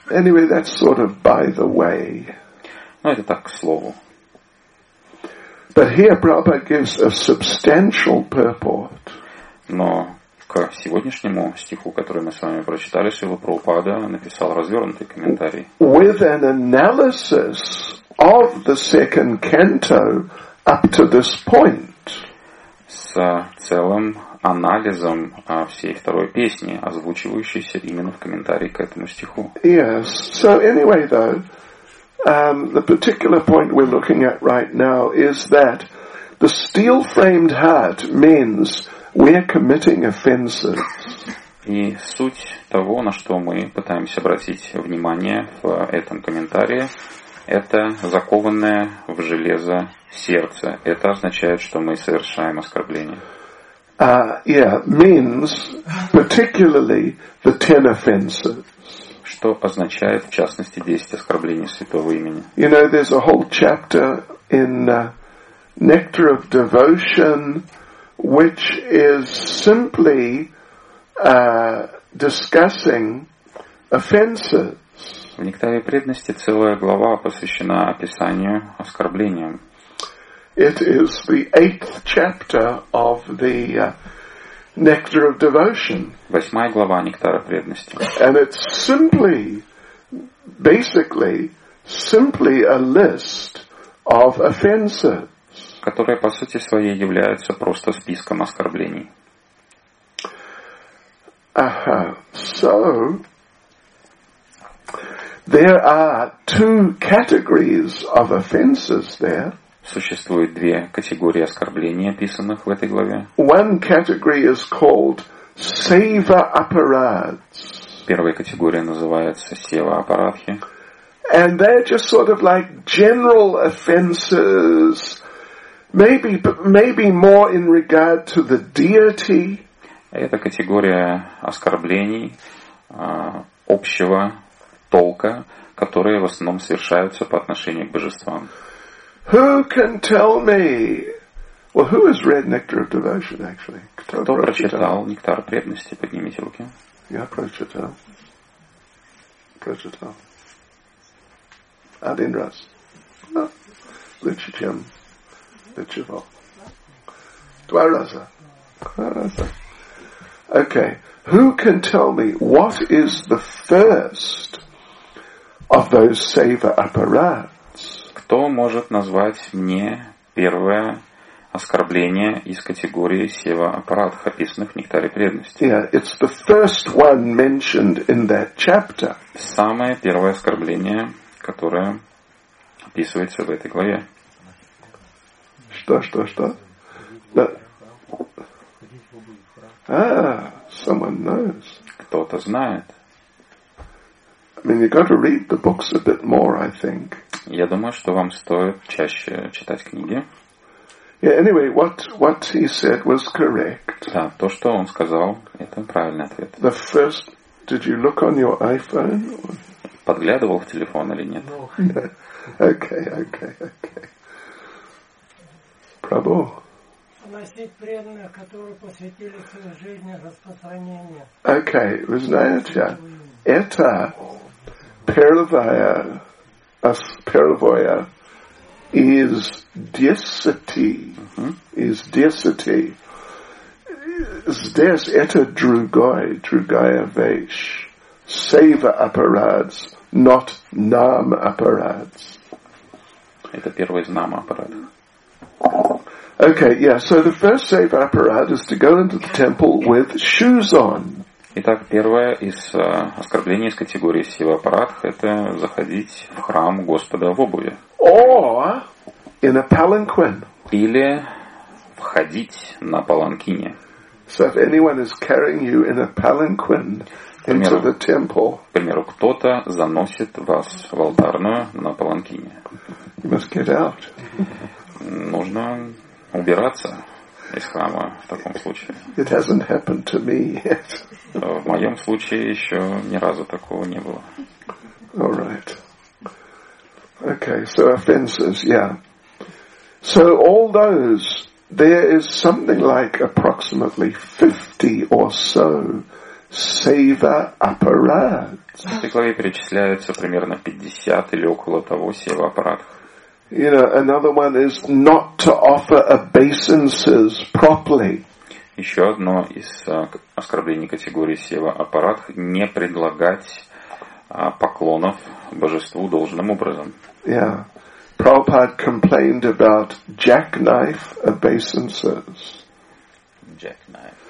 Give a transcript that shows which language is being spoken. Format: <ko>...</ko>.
<en>Anyway, that's sort of by the way.</en> <ru>Но это так, к слову.</ru> <en>But here Prabhupada gives a substantial purport.</en> <ru>Но к сегодняшнему стиху, который мы с вами прочитали, Шрила Прабхупада написал развернутый комментарий.</ru> <en>With an analysis of the second canto up to this point.</en> <ru>С целым анализом всей второй песни, озвучивающейся именно в комментарии к этому стиху.</ru> <en>Yes. So anyway, though, the particular point we're looking at right now is that the steel-framed heart means we're committing offenses.</en> <ru>И суть того, на что мы пытаемся обратить внимание в этом комментарии, это закованное в железо сердце. Это означает, что мы совершаем оскорбление.</ru> <en>Means particularly the 10 offenses.</en> <ru>Что означает, в частности, 10 оскорблений святого имени.</ru> <en>You know, there's a whole chapter in Nectar of Devotion, which is simply discussing offenses.</en> <ru>В Нектаре преданности целая глава посвящена описанию оскорблениям.</ru> <en>It is the 8th chapter of the Nectar of Devotion.</en> <ru>Восьмая глава Нектара преданности.</ru> <en>And it's simply, basically, simply a list of offenses.</en> <ru>Которые, по сути своей, являются просто списком оскорблений. Ага.</ru> <en>So, there are two categories of offenses there.</en> <ru>Существует две категории оскорблений, описанных в этой главе.</ru> <en>One category is called seva aparads.</en> <ru>Первая категория называется сева апарадхи.</ru> <en>And they're just sort of like general offenses. Maybe more in regard to the deity.</en> <ru>Это категория оскорблений общего толка, которые в основном совершаются по отношению к божествам.</ru> <en>Who can tell me? Well, who has read Nectar of Devotion, actually?</en> <ru>Кто прочитал Нектар преданности? Поднимите руки. Я прочитал. Прочитал. Один раз. Лучше, чем Два раза.</ru> <en>Okay. Who can tell me what is the first of those seva aparads?</en> <ru>Кто может назвать мне первое оскорбление из категории сева аппаратов, описанных в Нектаре преданности?</ru> <en>Yeah, it's the first one mentioned in that chapter.</en> <ru>Самое первое оскорбление, которое описывается в этой главе. Что?</ru> <en>Someone knows.</en> <ru>Кто-то знает.</ru> <en>I mean, you got to read the books a bit more, I think.</en> <ru>Я думаю, что вам стоит чаще читать книги.</ru> <en>Yeah, anyway, what he said was correct.</en> <ru>Да, то, что он сказал, это правильный ответ.</ru> <en>The first, did you look on your iPhone?</en> <ru>Подглядывал в телефон или нет?</ru> <en>Okay.</en> <ru>Прабу. Огласить преданных, которые посвятили свою жизнь распространению. Okay, вы знаете, это первое is десяти. Is десяти. Здесь это другая вещь. Сейва аппаратс, not нам аппаратс. Это первый из нам аппарат.</ru> <en>Okay, yeah, so the first seva aparad is to go into the temple with shoes on.</en> <ru>Итак, первое из оскорблений из категории сева аппарат это заходить в храм Господа в обуви.</ru> <en>Or in a palanquin.</en> <ru>Или входить на паланкине.</ru> <en>So if anyone is carrying you in a palanquin into the temple.</en> <ru>К примеру, кто-то заносит вас в алтарную на паланкине.</ru> <en>You must get out.</en> <ru>Нужно убираться из храма в таком случае.</ru> <en>It hasn't happened to me yet.</en> <ru>В моем случае еще ни разу такого не было.</ru> <en>All right. Okay, so offenses, yeah. So all those, there is something like approximately 50 or so</en> <ru>сейва аппарат. В этой главе перечисляются примерно 50 или около того сейва аппаратов.</ru> <en>You know, another one is not to offer obeisances properly.</en> <ru>Еще одно из оскорблений категории сева аппарат – не предлагать поклонов божеству должным образом.</ru> <en>Yeah. Prabhupada complained about jackknife obeisances. Jackknife.</en>